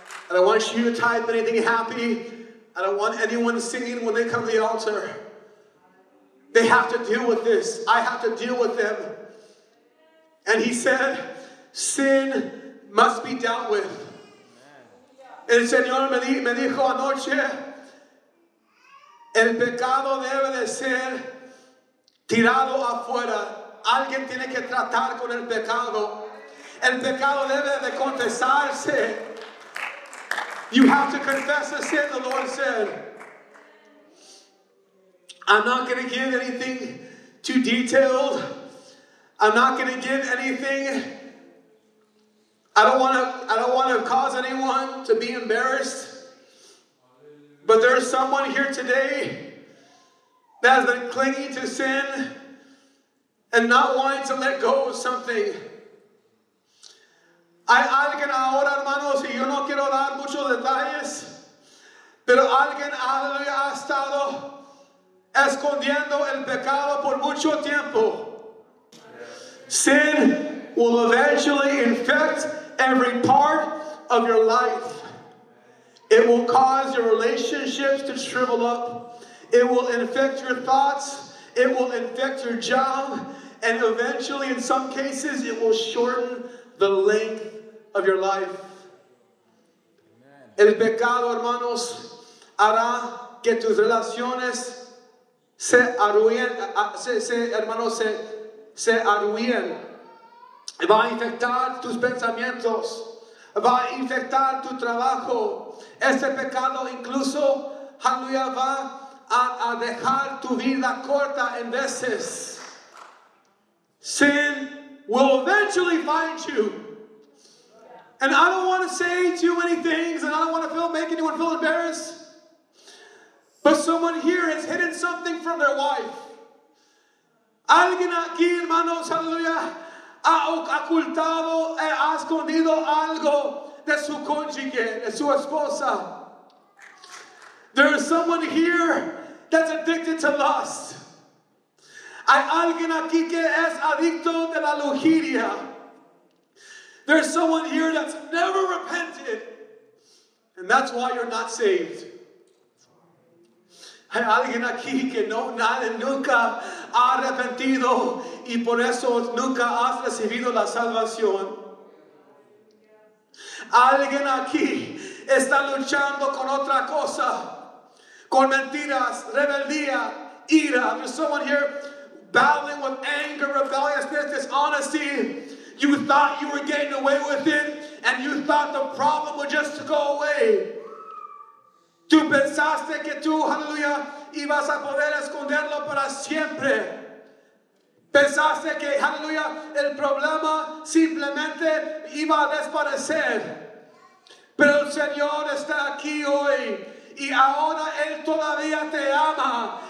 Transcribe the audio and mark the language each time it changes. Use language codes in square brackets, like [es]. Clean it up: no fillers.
[en] I don't want you to type anything happy. I don't want anyone singing when they come to the altar. They have to deal with this. I have to deal with them. And he said, sin must be dealt with. [es] El Señor me dijo anoche, el pecado debe de ser tirado afuera. Alguien tiene que tratar con el pecado. El pecado debe de confesarse. [en] You have to confess the sin, the Lord said. I'm not going to give anything too detailed. I'm not going to give anything. I don't want to cause anyone to be embarrassed. But there's someone here today that has been clinging to sin and not wanting to let go of something. [es] Hay alguien ahora, hermanos, y yo no quiero dar muchos detalles, pero alguien, aleluya, ha estado escondiendo el pecado por mucho tiempo. [en] Sin will eventually infect every part of your life. It will cause your relationships to shrivel up. It will infect your thoughts. It will infect your job. And eventually, in some cases, it will shorten the length of your life. [es] Amen. El pecado, hermanos, hará que tus relaciones se arruinen, hermanos, se arruinen. va a infectar tus pensamientos, va a infectar tu trabajo. Ese pecado incluso, aleluya, va a dejar tu vida corta en veces. [en] Sin will eventually find you. And I don't want to say too many things, and I don't want to make anyone feel embarrassed. But someone here has hidden something from their wife. [es] Alguien aquí, hermanos, aleluya, ha ocultado, ha escondido algo de su cónyuge, de su esposa. [en] There is someone here that's addicted to lust. [es] Hay alguien aquí que es adicto de la lujuria. [en] There's someone here that's never repented, and that's why you're not saved. [es] Hay alguien aquí que no, nadie nunca ha arrepentido, y por eso nunca has recibido la salvación. Alguien aquí está luchando con otra cosa, con mentiras, rebeldía, ira. [en] There's someone here battling with anger, rebelliousness, dishonesty. You thought you were getting away with it, and you thought the problem would just go away. [es] Tú pensaste que tú, aleluya, ibas a poder esconderlo para siempre. Pensaste que, aleluya, el problema simplemente iba a desaparecer. Pero el Señor está aquí hoy. Y ahora Él todavía te ama.